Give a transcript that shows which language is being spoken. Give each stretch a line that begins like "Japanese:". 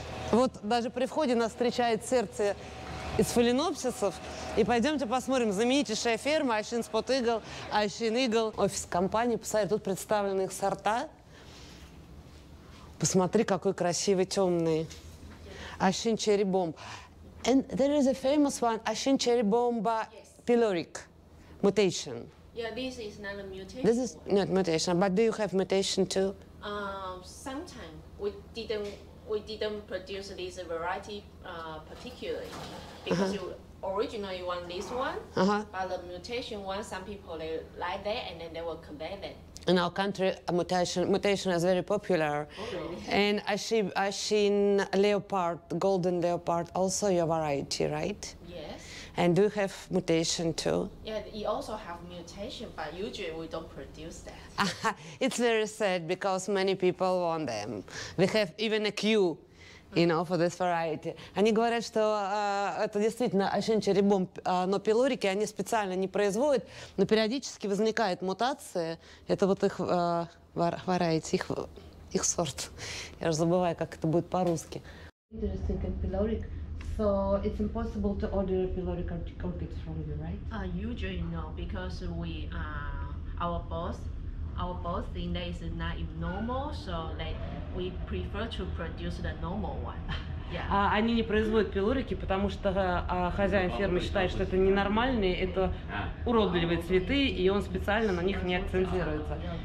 Russian: Вот даже при входе нас встречает сердце из фаленопсисов. И пойдемте посмотрим. Знаменитейшая ферма i-hsin Spot Eagle, i-hsin Eagle. Офис компании, посмотри, тут представлены их сорта. Посмотри, какой красивый, темный.
English: i-hsin Cherry Bomb. And there is a famous one, i-hsin Cherry Bomb Pelorik mutation. Yeah, this is not a mutation. This is not mutation, but do you have mutation too? Sometimes we didn't produce this variety particularly because originally you want this one, but the mutation one, some people they like that and then they will convey that. In our country, a mutation is very popular. Oh, really? And i-hsin leopard, golden leopard, also your variety, right? Yes. And do you have mutation too? Yeah, you also have mutation, but usually we don't produce that. It's very sad because many people want them. We have even a queue, you know, for this variety.
Russian: Они говорят, что это действительно i-hsin cherry bomb, но пилорики они специально не производят, но периодически возникает мутация. Это вот их variety, их сорт. Я же забываю, как это будет по-русски.
English: Interesting, and pyloric. So it's impossible to order a pyloric orchid from you, right? Usually no, because we our boss think that is not normal, so like we prefer to produce the normal one. Yeah.
Russian: Они не производят пилорики, потому что хозяин фермы считает, что это ненормальные, это уродливые цветы, и он специально на них не акцентируется.